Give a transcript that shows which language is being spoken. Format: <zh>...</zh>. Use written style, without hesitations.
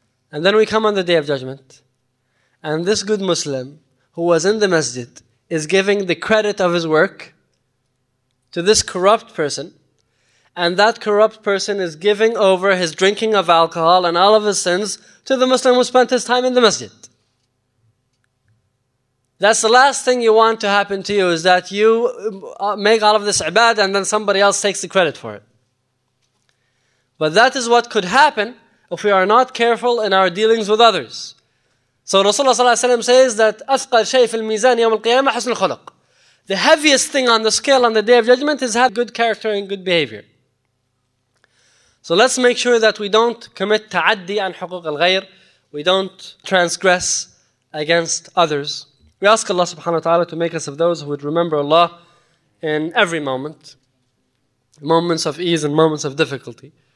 <en>And then we come on the Day of Judgment, and this good Muslim who was in the masjid is giving the credit of his work to this corrupt person, and that corrupt person is giving over his drinking of alcohol and all of his sins to the Muslim who spent his time in the masjid. That's the last thing you want to happen to you, is that you make all of this ibad and then somebody else takes the credit for it. But that is what could happen if we are not careful in our dealings with others. So Rasulullah ﷺ says that</en> <ar>أَثْقَلْ شَيْءٍ فِي الْمِيزَانِ يَوْمَ الْقِيَامَةِ حُسْنُ الْخُلُقِ.</ar> <en>The heaviest thing on the scale on the Day of Judgment is have good character and good behavior. So let's make sure that we don't commit</en> <ar>تعدي عن حقوق الغير.</ar> <en>We don't transgress against others. We ask Allah subhanahu wa ta'ala to make us of those who would remember Allah in every moment, moments of ease and moments of difficulty.</en>